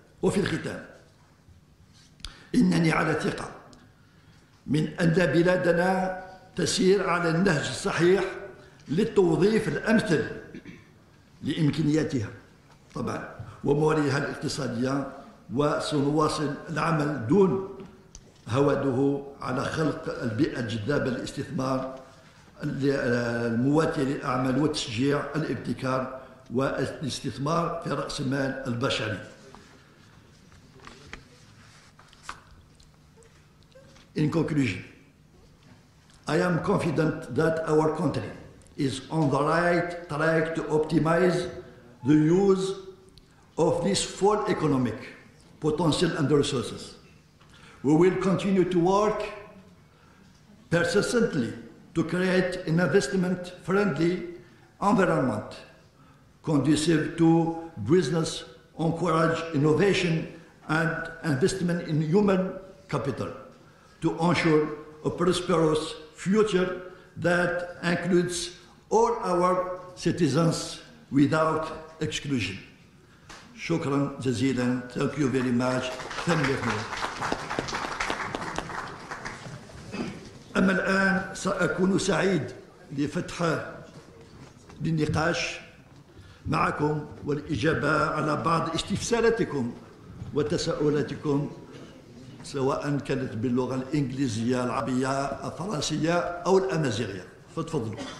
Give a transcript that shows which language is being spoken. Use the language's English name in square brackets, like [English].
[Arabic] وفي الختام، إنني على ثقة من أن بلادنا تسير على النهج الصحيح للتوظيف الأمثل لإمكانياتها طبعا ومواردها الاقتصادية، وسنواصل العمل دون هواده على خلق البيئة الجذابة للاستثمار المواتية للأعمال وتشجيع الابتكار والاستثمار في رأس المال البشري. [English] In conclusion, I am confident that our country is on the right track to optimize the use of this full economic potential and resources. We will continue to work persistently to create an investment-friendly environment conducive to business, encourage innovation and investment in human capital, to ensure a prosperous future that includes all our citizens without exclusion. Shukran jazilan, thank you very much. Thank you. [Arabic] أما الآن سأكون سعيد لفتح للنقاش معكم والإجابة على بعض استفساراتكم وتساؤلاتكم، سواء كانت باللغة الإنجليزية، العربية، الفرنسية أو الأمازيغية، فتفضلوا.